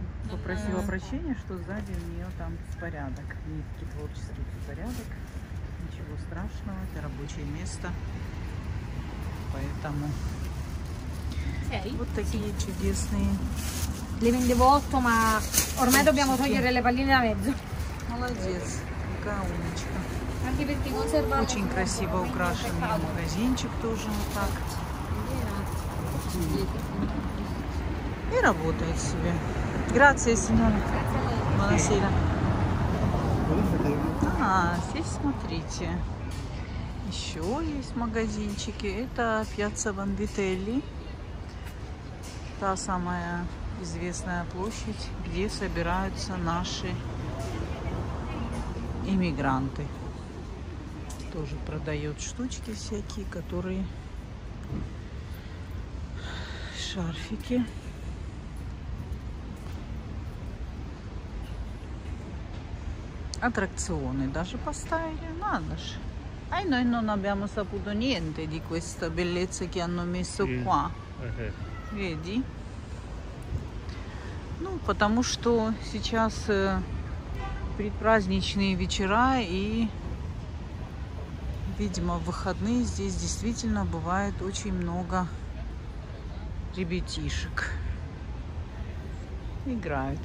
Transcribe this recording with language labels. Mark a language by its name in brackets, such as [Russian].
[Russian] Попросила прощения, что сзади у нее там порядок, нитки, творческий порядок. Ничего страшного, это рабочее место, поэтому вот такие чудесные. [Italian] Le vendevo otto, ma ormai dobbiamo togliere le palline da mezzo. [Russian] Молодец, какая умничка. [Italian] Anche perché conservato. [Russian] Очень красиво украшенный магазинчик тоже вот так. И работает себе. [Italian] Grazie, signore. Buonasera. [Russian] Ah, здесь смотрите. Еще. еще есть магазинчики. Это Пьяцца Ванвителли. Та самая известная площадь, где собираются наши иммигранты. Тоже продает штучки всякие, которые... Шарфики. Аттракционы даже поставили. Надо же. [Italian] Ай, noi non abbiamo saputo niente di questa bellezza che hanno messo qua. Vedi? [Russian] Ну, потому что сейчас предпраздничные вечера и, видимо, выходные здесь действительно бывает очень много ребятишек. Играют.